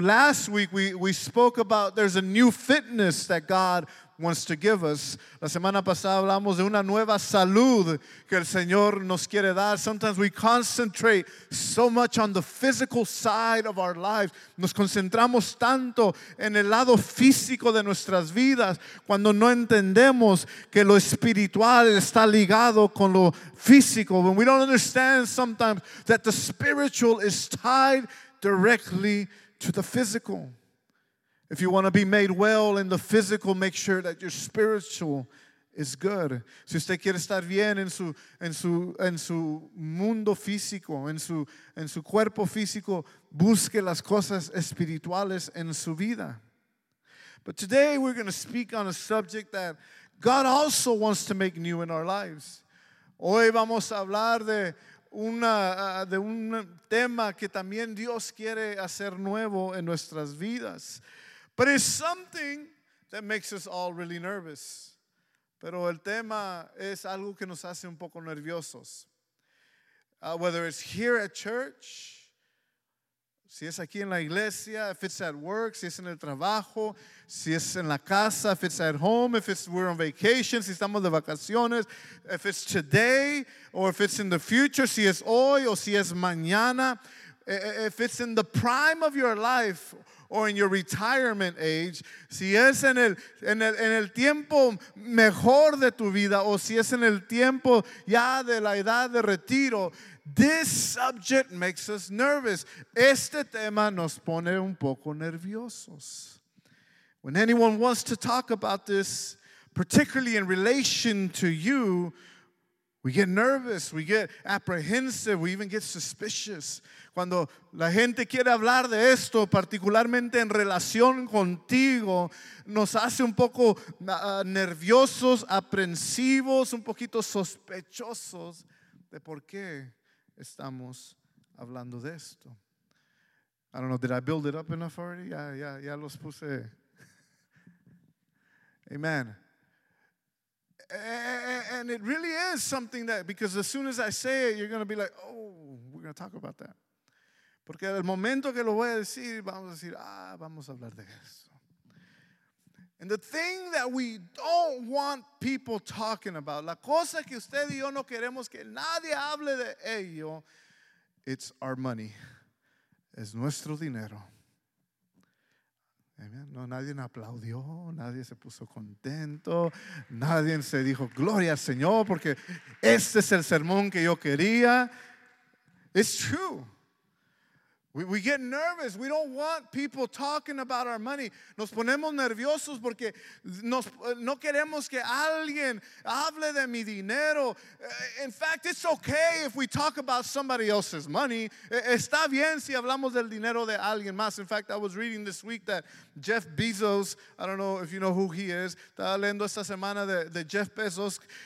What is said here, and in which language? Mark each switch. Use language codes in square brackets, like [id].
[en] Last week we spoke about there's a new fitness that God wants to give us. [es] La semana pasada hablamos de una nueva salud que el Señor nos quiere dar. [en] Sometimes we concentrate so much on the physical side of our lives. [es] Nos concentramos tanto en el lado físico de nuestras vidas cuando no entendemos que lo espiritual está ligado con lo físico. [en] When we don't understand sometimes that the spiritual is tied directly to the physical. If you want to be made well in the physical, make sure that your spiritual is good. [es] Si usted quiere estar bien en su mundo físico, en su cuerpo físico, busque las cosas espirituales en su vida. [en] But today we're going to speak on a subject that God also wants to make new in our lives. [es] Hoy vamos a hablar de un tema que también Dios quiere hacer nuevo en nuestras vidas. [en] But it's something that makes us all really nervous. [es] Pero el tema es algo que nos hace un poco nerviosos. [en] Whether it's here at church, [es] si es aquí en la iglesia, [en] if it's at work, [es] si es en el trabajo, si es en la casa, [en] if it's at home, if it's we're on vacation, [es] si estamos de vacaciones, [en] if it's today or if it's in the future, [es] si es hoy o si es mañana, [en] if it's in the prime of your life, or in your retirement age, [es] si es en el tiempo mejor de tu vida, o si es en el tiempo ya de la edad de retiro, [en] this subject makes us nervous. [es] Este tema nos pone un poco nerviosos. [en] When anyone wants to talk about this, particularly in relation to you, We get nervous, we get apprehensive, we even get suspicious. [es] Cuando la gente quiere hablar de esto, particularmente en relación contigo, nos hace un poco nerviosos, aprensivos, un poquito sospechosos de por qué estamos hablando de esto. [en] I don't know, did I build it up enough already? [es] Ya los puse. [en] Amen. And it really is something that, because as soon as I say it, you're going to be like, oh, we're going to talk about that. [es] Porque al momento que lo voy a decir, vamos a decir, ah, vamos a hablar de eso. [en] And the thing that we don't want people talking about, [es] la cosa que usted y yo no queremos que nadie hable de ello, [en] it's our money. [es] Es nuestro dinero. Amen. No, nadie aplaudió, nadie se puso contento, nadie se dijo, gloria al Señor, porque este es el sermón que yo quería. [en] It's true. We get nervous. We don't want people talking about our money. [es] Nos ponemos nerviosos porque no queremos que alguien hable de mi dinero. [en] In fact, it's okay if we talk about somebody else's money. [es] Está bien si hablamos del dinero de alguien más. [en] In fact, I was reading this week that Jeff Bezos, I don't know if you know who he is, [es] estaba leyendo esta semana de Jeff Bezos.